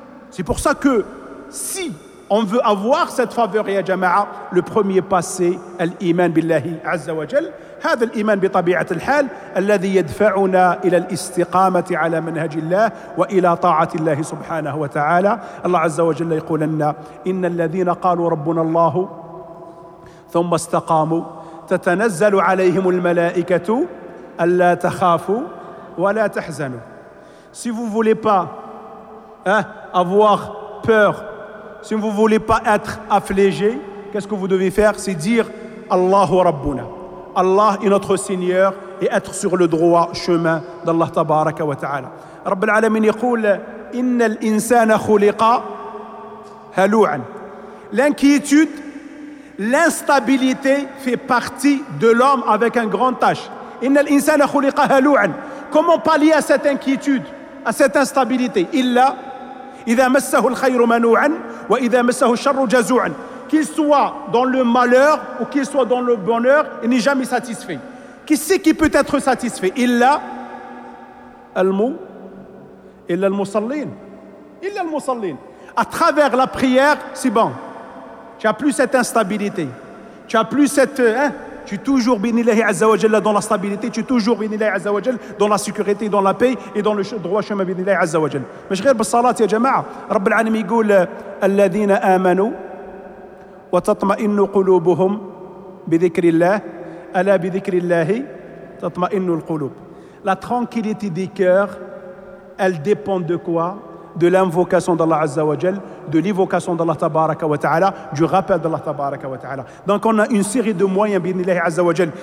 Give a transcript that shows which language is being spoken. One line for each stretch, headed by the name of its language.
French: سي بور سا كو سي اون فو افوار سيت فافور يا جماعه لو بروميير با سي
Arabic: الايمان بالله عز وجل هذا الإيمان بطبيعة الحال الذي يدفعنا إلى الاستقامة على منهج الله وإلى طاعة الله سبحانه وتعالى الله عز وجل يقول لنا إن الذين قالوا ربنا الله ثم استقاموا تتنزل عليهم الملائكة ألا تخافوا ولا تحزنوا.
French: Si vous voulez pas avoir peur, si vous voulez pas être affligé, qu'est-ce que vous devez faire? C'est dire Allahu Rabbuna. Allah est notre Seigneur et être sur le droit chemin d'Allah Tabaraka wa Ta'ala.
Arabic: رب العالمين يقول إن الإنسان خلق هلوعا.
French: L'inquiétude, l'instabilité fait partie de l'homme avec un grand H.
Arabic: إن الإنسان خلق هلوعا.
French: Comment pallier à cette inquiétude, à cette instabilité?
Arabic: إلا إذا مسه الخير منوعا وإذا مسه الشر جزوعا.
French: Qu'il soit dans le malheur ou qu'il soit dans le bonheur, il n'est jamais satisfait. Qui sait qui peut être satisfait?
Arabic: إلا المو إلا المصلين إلا المصلين.
French: À travers la prière, c'est bon. Tu n'as plus cette instabilité. Tu n'as plus cette... Hein? Tu es toujours béni Allah Azza wa Jalla dans la stabilité. Tu es toujours béni Allah Azza wa Jalla dans la sécurité, dans la paix et dans le droit chemin béni Allah Azza wa Jalla. Mais je regarde pour salat,
Arabic: ya jama'a. رب العالمين يقول الذين آمنوا وتطمئن قلوبهم بذكر الله ألا بذكر الله تطمئن القلوب.
French: La tranquillité des cœurs, elle dépend de quoi? De l'invocation d'Allah Azza wa Jal, de l'évocation d'Allah Tabaraka wa Ta'ala, du rappel d'Allah Tabaraka wa Ta'ala. Donc on a une série de moyens, bi'nillahi Azza wa Jal.